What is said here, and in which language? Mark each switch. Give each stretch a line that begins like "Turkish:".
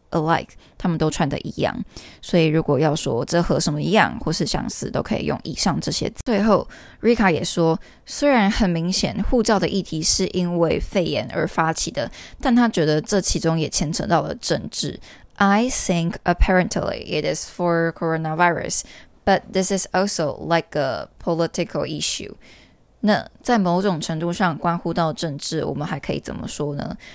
Chinese: Alike, 他们都穿的一样，所以如果要说这和什么一样或是相似，都可以用以上这些。最后 ，Rika 也说，虽然很明显护照的议题是因为肺炎而发起的，但他觉得这其中也牵扯到了政治。
English: I think apparently it is for coronavirus, but this is also like a political issue.
Chinese: 那在某种程度上关乎到政治，我们还可以怎么说呢？